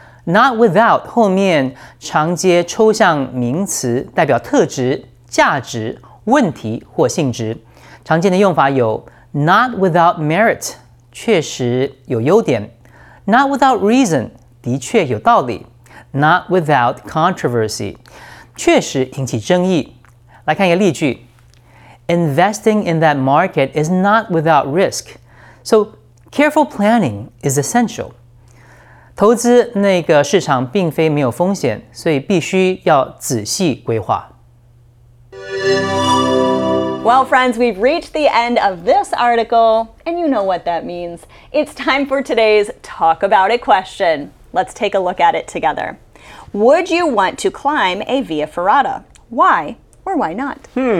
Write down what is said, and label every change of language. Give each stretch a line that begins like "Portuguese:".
Chinese: Not without 后面常接抽象名词，代表特质、价值、问题或性质。常见的用法有
English: not without merit
Chinese: 确实有优点，
English: not without reason。
Chinese: 的确有道理,
English: not without controversy,
Chinese: 确实引起争议。来看一个例句,
English: investing in that market is not without risk, so careful planning is essential.
Chinese: 投资那个市场并非没有风险, 所以必须要仔细规划。
English: Well, friends, we've reached the end of this article, and you know what that means. It's time for today's Talk About It question. Let's take a look at it together. Would you want to climb a Via Ferrata? Why or why not?